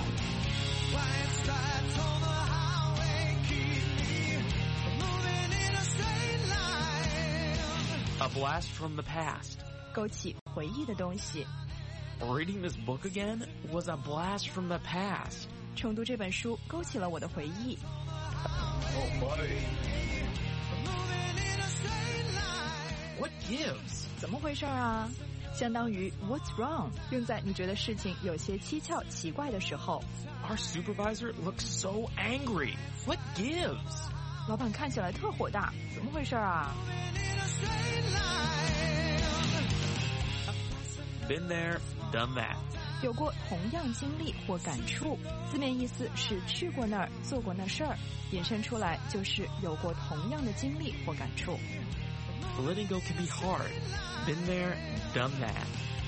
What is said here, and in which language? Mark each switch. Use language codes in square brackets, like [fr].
[en] White stripes on the highway keep me moving in a straight line. A blast from the past. [zh] 勾起回忆的东西。 [en] Reading this book again was a blast from the past. [zh] 重读这本书勾起了我的回忆。 [en] Oh, buddy. Moving in a straight line. What gives? [zh] 怎么回事啊？相当于 [en] what's wrong [zh] 用在你觉得事情有些蹊跷奇怪的时候。 [en] Our supervisor looks so angry. What gives? [zh] 老板看起来特火大，怎么回事啊？ [en] Been there, done that. [zh] 有过同样经历或感触，字面意思是去过那儿，做过那事儿，引申出来就是有过同样的经历或感触。 [en] Letting go can be hard. Been there, done that.